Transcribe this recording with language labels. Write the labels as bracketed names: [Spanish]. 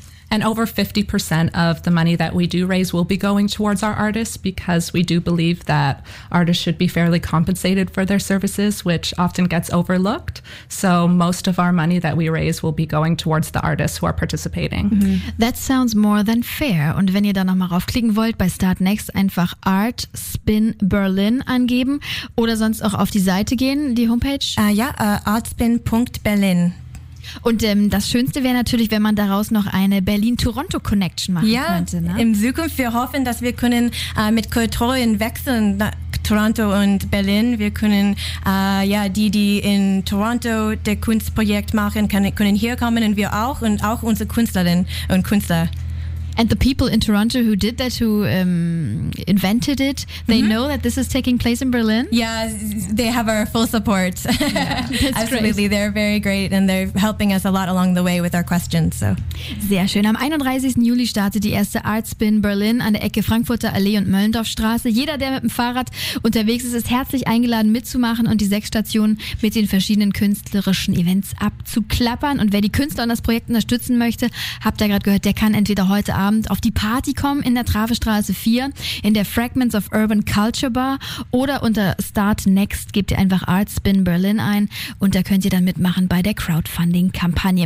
[English] And over 50% of the money that we do raise will be going towards our artists, because we do believe that artists should be fairly compensated for their services, which often gets overlooked. So most of our money that we raise will be going towards the artists who are participating. Mm-hmm. That sounds more than fair. [German] Und wenn ihr da nochmal raufklicken wollt, bei Start Next einfach Art Spin Berlin angeben oder sonst auch auf die Seite gehen, die Homepage. Artspin.berlin. Und das Schönste wäre natürlich, wenn man daraus noch eine Berlin-Toronto-Connection machen könnte. Ja, in Zukunft, wir hoffen, dass wir können mit Kulturen wechseln, Toronto und Berlin. Wir können die in Toronto das Kunstprojekt machen, können hier kommen, und wir auch, und auch unsere Künstlerinnen und Künstler. [English] And the people in Toronto who did that, who invented it, they know that this is taking place in Berlin? Yeah, they have our full support. Yeah, absolutely. Great. They're very great, and they're helping us a lot along the way with our questions. So. [German] Sehr schön. Am 31. Juli startet die erste Art Spin Berlin an der Ecke Frankfurter Allee und Möllendorfstraße. Jeder, der mit dem Fahrrad unterwegs ist, ist herzlich eingeladen, mitzumachen und die 6 Stationen mit den verschiedenen künstlerischen Events abzuklappern. Und wer die Künstler und das Projekt unterstützen möchte, habt ihr gerade gehört, der kann entweder heute Abend auf die Party kommen in der Travestraße 4, in der Fragments of Urban Culture Bar, oder unter Start Next gebt ihr einfach Art Spin Berlin ein, und da könnt ihr dann mitmachen bei der Crowdfunding-Kampagne.